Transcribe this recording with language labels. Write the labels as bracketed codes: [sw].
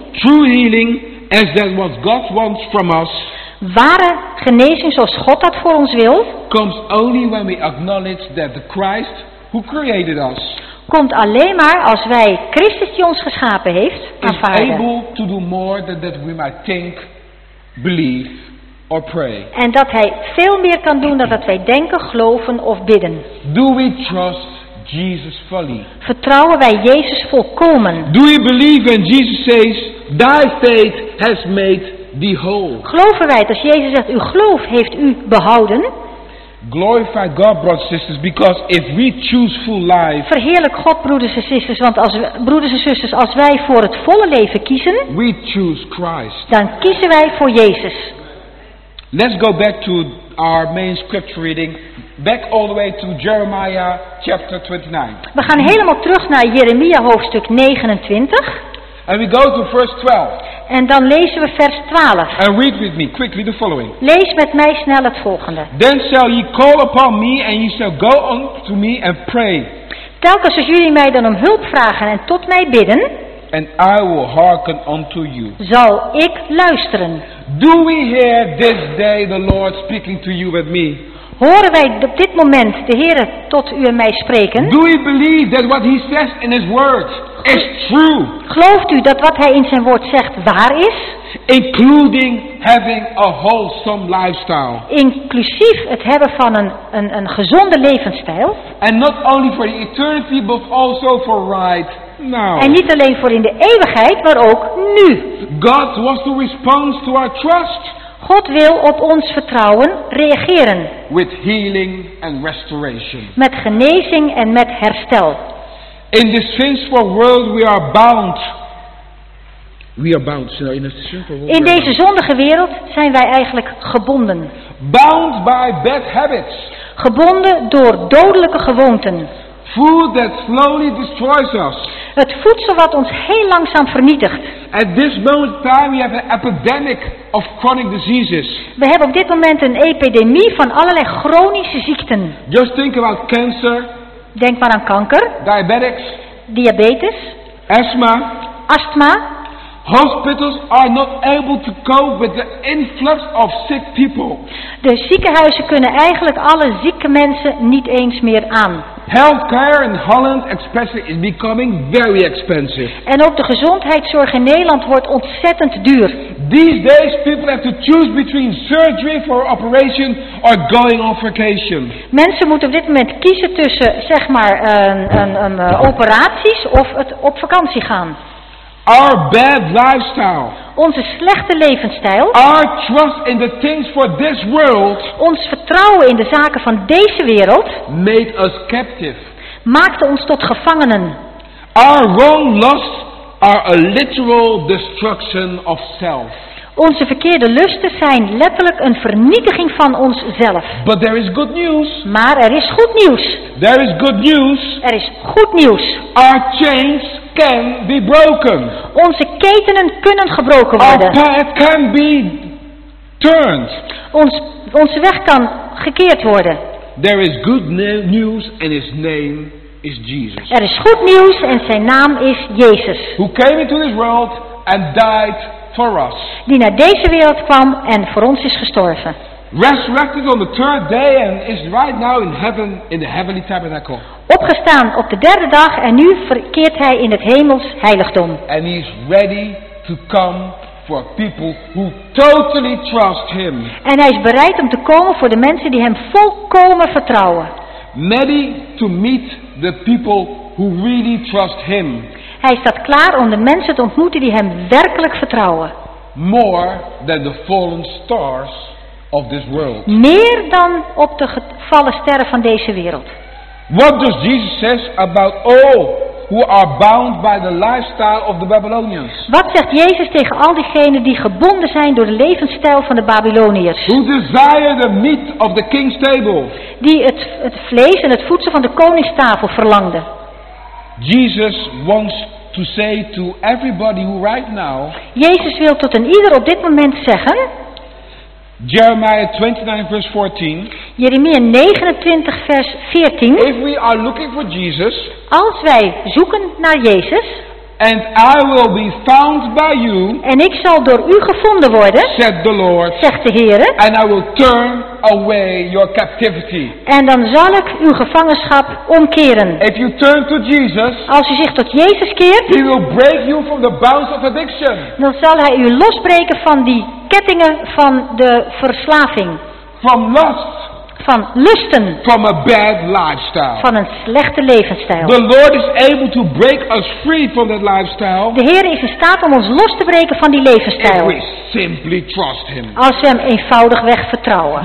[en] True healing, as that what God wants from us. [nl] Ware genezing zoals God dat voor ons wil. [en] Comes only when we acknowledge that the Christ who created us. [nl] Komt alleen maar als wij Christus die ons geschapen heeft aanvaarden. [en] Is able to do more than that we might think, believe or pray. [nl] En dat hij veel meer kan doen dan dat wij denken, geloven of bidden. [en] Do we trust Jesus fully? [nl] Vertrouwen wij Jezus volkomen? [en] Do we believe when Jesus says, thy faith has made thee whole? [nl] Geloven wij als Jezus zegt, uw geloof heeft u behouden? [en] Glorify God, brothers and sisters, because if we choose full life. [nl] Verheerlijk God, broeders en zusters, want als we, broeders en zusters, als wij voor het volle leven kiezen, [en] we choose Christ. [nl] Dan kiezen wij voor Jezus. [en] Let's go back to our main scripture reading, back all the way to Jeremiah chapter 29. [nl] We gaan helemaal terug naar Jeremia hoofdstuk 29. [en] And we go to verse 12. [nl] En dan lezen we vers 12. [en] And read with me quickly the following. [nl] Lees met mij snel het volgende. [en] Then shall ye call upon me, and ye shall go unto me and pray. [nl] Telkens als jullie mij dan om hulp vragen en tot mij bidden. [en] And I will hearken unto you. [nl] Zal ik luisteren. [en] Do we hear this day the Lord speaking to you and me? [nl] Horen wij op dit moment de Heer tot u en mij spreken? [en] Do we believe that what he says in his word is true? [nl] Gelooft u dat wat hij in zijn woord zegt waar is? [en] Including having a wholesome lifestyle. [nl] Inclusief het hebben van een gezonde levensstijl. [en] And not only for the eternity but also for right. Now. [nl] En niet alleen voor in de eeuwigheid, maar ook nu. [en] God wants to respond to our trust. [nl] God wil op ons vertrouwen reageren. [en] With healing and restoration. [nl] Met genezing en met herstel. [en] In this sinful world we are bound. We are bound. So in a sinful world. [nl] In deze zondige wereld zijn wij eigenlijk gebonden. [en] Bound by bad habits. [nl] Gebonden door dodelijke gewoonten. [en] Food that slowly destroys us. [nl] Het voedsel wat ons heel langzaam vernietigt. [en] At this moment in time we have an epidemic of chronic diseases. [nl] We hebben op dit moment een epidemie van allerlei chronische ziekten. [en] Just think about cancer. [nl] Denk maar aan kanker. [en] Diabetics. [nl] Diabetes. [en] Asthma. [nl] Astma. [en] Hospitals are not able to cope with the influx of sick people. [nl] De ziekenhuizen kunnen eigenlijk alle zieke mensen niet eens meer aan. [en] Healthcare in Holland especially is becoming very expensive. [nl] En ook de gezondheidszorg in Nederland wordt ontzettend duur. [en] These days people have to choose between surgery for operation or going on vacation. [nl] Mensen moeten op dit moment kiezen tussen zeg maar operaties of het op vakantie gaan. [en] Our bad lifestyle. [nl] Onze slechte levensstijl. [en] Our trust in the things for this world. [nl] Ons vertrouwen in de zaken van deze wereld. [en] Made us captive. [nl] Maakte ons tot gevangenen. [en] Our wrong lusts are a literal destruction of self. [nl] Onze verkeerde lusten zijn letterlijk een vernietiging van onszelf. [en] But there is good news. [nl] Maar er is goed nieuws. [en] There is good news. [nl] Er is goed nieuws. [en] Our chains can be broken. [nl] Onze ketenen kunnen gebroken worden. [en] Our path can be turned. [nl] onze weg kan gekeerd worden. [en] There is good news and his name is Jesus. [nl] Er is goed nieuws en zijn naam is Jezus. [en] Who came into this world and died for us. [nl] Die naar deze wereld kwam en voor ons is gestorven. [en] Resurrected on the third day and is right now in heaven in the heavenly tabernacle. [nl] Opgestaan op de derde dag en nu verkeert hij in het hemels heiligdom. [en] And he is ready to come for people who totally trust him. [nl] En hij is bereid om te komen voor de mensen die hem volkomen vertrouwen. [en] Ready to meet the people who really trust him. [nl] Hij staat klaar om de mensen te ontmoeten die hem werkelijk vertrouwen. [en] More than the fallen stars of this world. [nl] Meer dan op de gevallen sterren van deze wereld. [en] What does Jesus say about all who are bound by the lifestyle of the Babylonians? [nl] Wat zegt Jezus tegen al diegenen die gebonden zijn door de levensstijl van de Babyloniërs? [en] Who desire the meat of the king's table? [nl] Die het vlees en het voedsel van de koningstafel verlangden. [en] Jesus wants to say to everybody who right now. [nl] Jezus wil tot een ieder op dit moment zeggen. [en] Jeremiah 29 verse 14. [nl] Jeremia 29 vers 14. [en] If we are looking for Jesus. [nl] Als wij zoeken naar Jezus. [en] And I will be found by you. [nl] En ik zal door u gevonden worden. [en] Said the Lord. [nl] Zegt de Heere. [en] And I will turn away your captivity. [nl] En dan zal ik uw gevangenschap omkeren. [en] If you turn to Jesus. [nl] Als u zich tot Jezus keert. [en] He will break you from the bounds of addiction. [nl] Dan zal hij u losbreken van die kettingen van de verslaving. [en] From lust. [nl] Van lusten. [en] From a bad lifestyle. [nl] Van een slechte levensstijl. [en] The Lord is able to break us free from that lifestyle. [nl] De Heer is in staat om ons los te breken van die levensstijl. [en] If we simply trust him. [nl] Als we hem eenvoudig weg vertrouwen.